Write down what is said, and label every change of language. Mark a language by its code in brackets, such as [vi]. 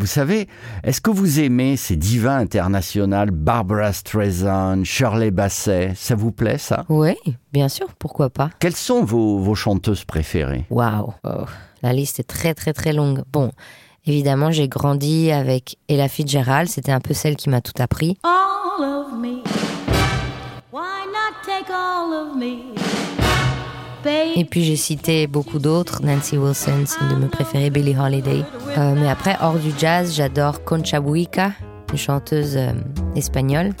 [fr] Vous savez, est-ce que vous aimez ces divas internationales, Barbara Streisand, Shirley Bassey ? Ça vous plaît, ça ? Oui, bien sûr, pourquoi pas ? Quelles sont vos chanteuses préférées ? Waouh, la liste est très très très longue. Bon, évidemment, j'ai grandi avec Ella Fitzgerald, c'était un peu celle qui m'a tout appris. [en] All of me, why not take all of me ? [fr] Et puis j'ai cité beaucoup d'autres, Nancy Wilson, c'est une de mes préférées, Billie Holiday. Mais après, hors du jazz, j'adore Concha Buica, une chanteuse espagnole.